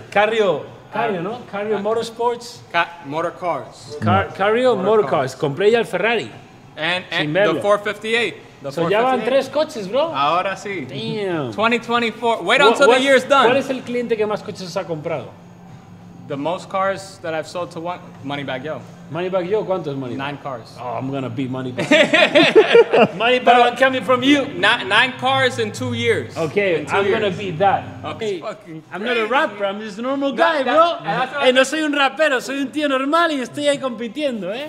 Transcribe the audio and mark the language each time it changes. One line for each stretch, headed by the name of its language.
Spanish: Carrio. Carrio, ¿no? Carrio Motorsports.
English: Motor Cars.
Spanish: Carrio Motor Cars. Compré ya el Ferrari.
English: And the 458.
Spanish: So ya van tres coches, bro. Ahora sí.
English: Damn. 2024. Wait until the year's done.
Spanish: ¿Cuál es el cliente que más coches ha comprado?
English: The most cars that I've sold to one, Moneybag Yo.
Spanish: Moneybag Yo, ¿cuántos money?
English: Nine cars. Oh, I'm going to beat Moneybag. Moneybag, I'm coming from you. Nine cars in 2 years. Okay, I'm going to beat that. Okay. I'm not a rapper, I'm just a normal guy, bro.
Spanish: Hey, no soy un rapero, soy un tío normal y estoy ahí compitiendo, eh.